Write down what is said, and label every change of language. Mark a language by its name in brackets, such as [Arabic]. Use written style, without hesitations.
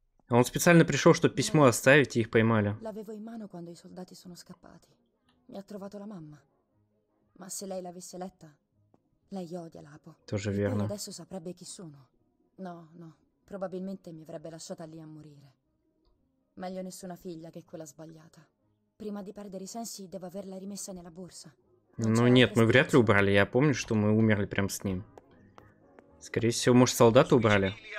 [Russian] Он специально пришел, чтобы письмо оставить, и их поймали. [Italian] L'avevo in mano quando i soldati sono scappati. Mi ha trovato la mamma. Ma se lei l'avesse letta, lei odia l'apo. [Russian] Тоже верно. [Italian] E adesso saprebbe chi sono. No, no, probabilmente mi avrebbe lasciata lì a morire. Meglio nessuna figlia che quella sbagliata. Prima di perdere i sensi devo averla rimessa nella borsa. [Russian] Ну нет, мы вряд ли убрали. Я помню, что мы умерли прямо с ним. Скорее всего, может, солдата убрали.